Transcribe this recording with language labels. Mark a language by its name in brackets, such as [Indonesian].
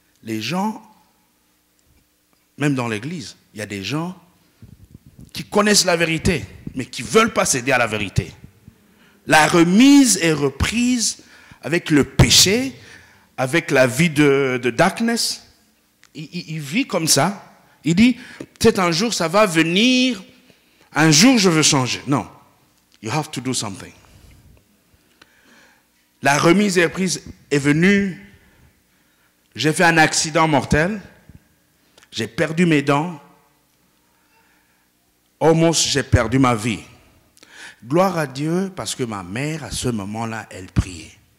[French] Les gens, même dans l'église, il y a des gens qui connaissent la vérité, mais qui ne veulent pas céder à la vérité. La remise et reprise avec le péché, avec la vie de darkness, il vit comme ça. Il dit, peut-être un jour ça va venir, un jour je veux changer. [English] Non, you have to do something. [French] La remise et reprise est venue, j'ai fait un accident mortel, j'ai perdu mes dents, almost j'ai perdu ma vie. Gloire à Dieu, parce que ma mère, à ce moment-là, elle priait.